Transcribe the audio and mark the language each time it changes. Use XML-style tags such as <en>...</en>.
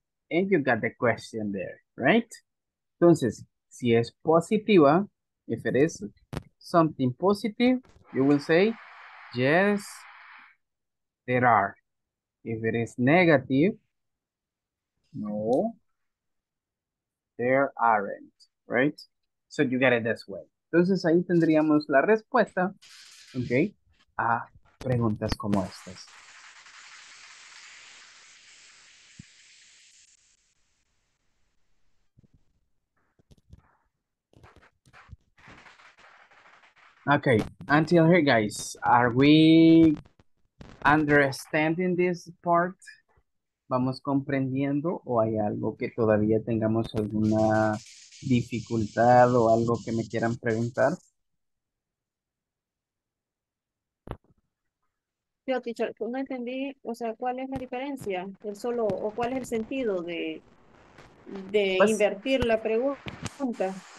<en>And you got the question there, right?</en> <es>Entonces, si es positiva,</es> <en>if it is something positive, you will say, yes, there are. If it is negative, no, there aren't, right? So you get it this way.</en> <es>Entonces, ahí tendríamos la respuesta, okay, a preguntas como estas.</es> <en>Okay, until here, guys, are we understanding this part?</en> <es>¿Vamos comprendiendo o hay algo que todavía tengamos alguna dificultad o algo que me quieran preguntar? Yo, teacher, no entendí, o sea, ¿cuál es la diferencia? El solo, ¿o cuál es el sentido de pues, invertir la pregunta?</es>